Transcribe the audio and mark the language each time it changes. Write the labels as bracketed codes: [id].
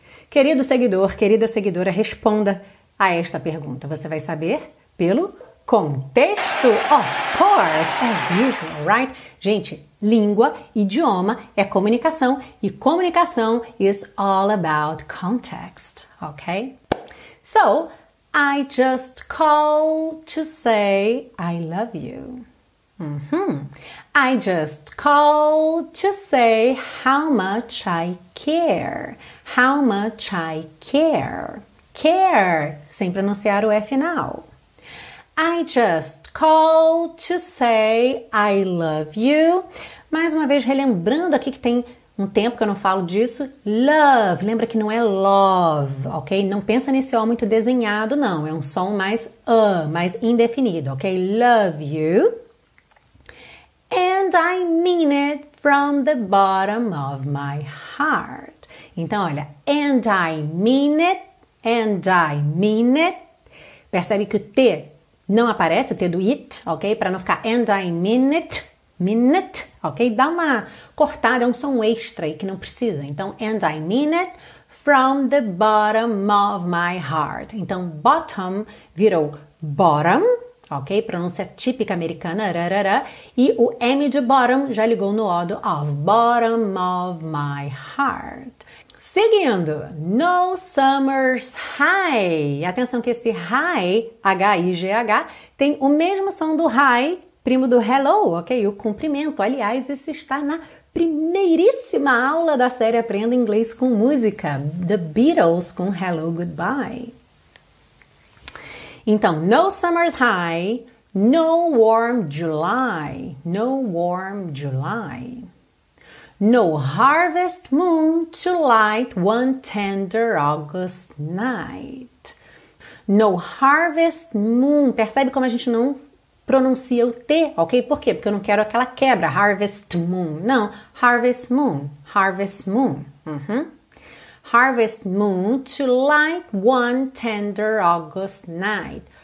[pt] Querido seguidor, querida seguidora, responda a esta pergunta. Você vai saber pelo contexto, [en] of course, as usual, right? [pt] Gente, língua, idioma é comunicação e comunicação [en] is all about context, [pt] ok? [en] So, I just call to say I love you. Mm-hmm. I just call to say how much I care. How much I care. [pt] Care, sem pronunciar o F final. [en] I just call to say I love you. [pt] Mais uma vez, relembrando aqui que tem um tempo que eu não falo disso. Love, lembra que não é love, ok? Não pensa nesse O muito desenhado, não. É um som mais mais indefinido, ok? [en] Love you. And I mean it from the bottom of my heart. Então, olha, and I mean it, and I mean it. [pt] Percebe que o T não aparece, o T do it, ok? Para não ficar and I mean it, ok? Dá uma cortada, é um som extra aí que não precisa. [en] Então, and I mean it from the bottom of my heart. [pt] Então, bottom virou bottom. Ok? Pronúncia típica americana, rarara. E o M de bottom já ligou no O do of, [en] bottom of my heart. Seguindo, no summer's high. [pt] Atenção que esse high, H-I-G-H, tem o mesmo som do hi, primo do hello, ok? O cumprimento. Aliás, isso está na primeiríssima aula da série Aprenda Inglês com Música, The Beatles com Hello Goodbye. [en] Então, no summer's high, no warm July, no warm July. No harvest moon to light one tender August night. No harvest moon. [pt] Percebe como a gente não pronuncia o T, ok? Por quê? Porque eu não quero aquela quebra, harvest moon. [en] Não, harvest moon, harvest moon. Uhum. Harvest moon to light one tender August night.